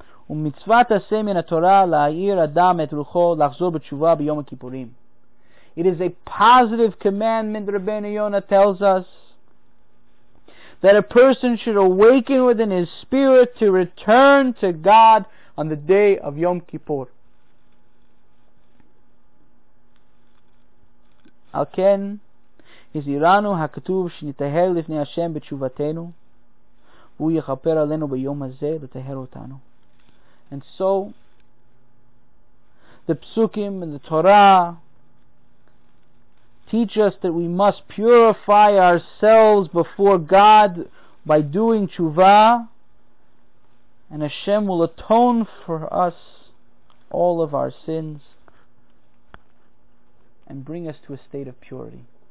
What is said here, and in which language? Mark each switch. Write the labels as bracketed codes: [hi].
[he] ומצוות עשה מן התורה להעיר אדם את רוחו לחזור בתשובה ביום הכיפורים. [en] It is a positive commandment, Rabbeinu Yonah tells us, that a person should awaken within his spirit to return to God on the day of Yom Kippur. [he] על כן, הזהירנו הכתוב שנטהר לפני השם בתשובתנו, והוא יכפר עלינו ביום הזה לטהר אותנו. [en] And so, the psukim and the Torah teach us that we must purify ourselves before God by doing tshuva, and Hashem will atone for us all of our sins and bring us to a state of purity.